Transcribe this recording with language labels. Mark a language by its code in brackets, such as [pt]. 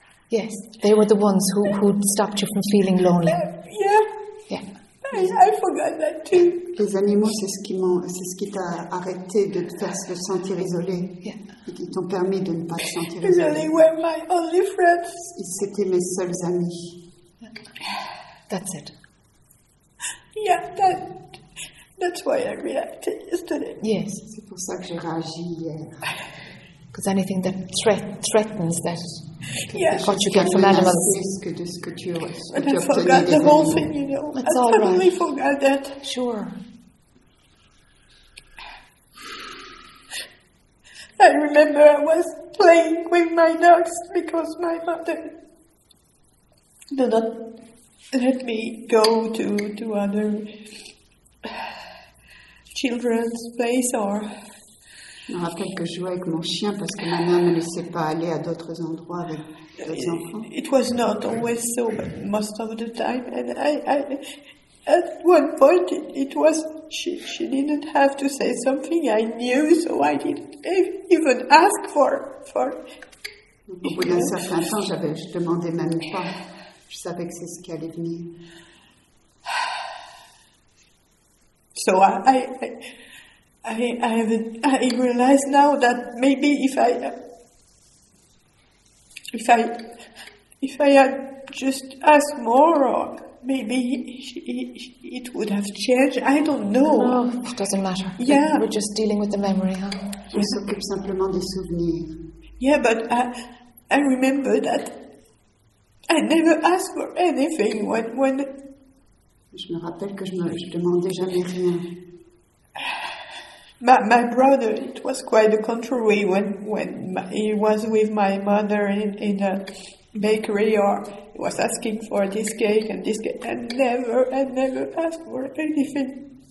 [en] Yes, they were the ones who stopped you from feeling lonely. Yeah. I forgot that too. [fr] Les animaux, c'est ce qui t'a arrêté de te faire se sentir isolé. [en] Yeah. [fr] Ils t'ont permis de ne pas te sentir [en] isolé. They were my only friends. [fr] Ils étaient mes seuls amis. [en] That's it. Yeah, that's why I reacted yesterday. Yes. [fr] C'est pour ça que j'ai réagi hier. [en] Because anything that threatens that. Yes. What you get from animals. But I forgot the whole thing, you know. It's I all totally right. Forgot that. Sure. I remember I was playing with my dogs because my mother did not let me go to other children's place or... [fr] Je me rappelle que je jouais avec mon chien parce que ma mère ne laissait pas aller à d'autres endroits avec d'autres enfants. [en] It was not always so, but most of the time. And I at one point, it was she didn't have to say something. I knew, so I didn't even ask for. [fr] Au bout d'un certain temps, je demandais même pas. Je savais que c'est ce qui allait venir. [en] So I realize now that maybe if I had just asked more, or maybe it would have changed. I don't know. No, it doesn't matter. Yeah, we're just dealing with the memory, huh? [fr] On s'occupe simplement des souvenirs. [en] Yeah, but I remember that I never asked for anything when. [fr] Je me rappelle que je demandais jamais rien. [en] My brother, it was quite the contrary when he was with my mother in a bakery, or he was asking for this cake and this cake, and never asked for anything.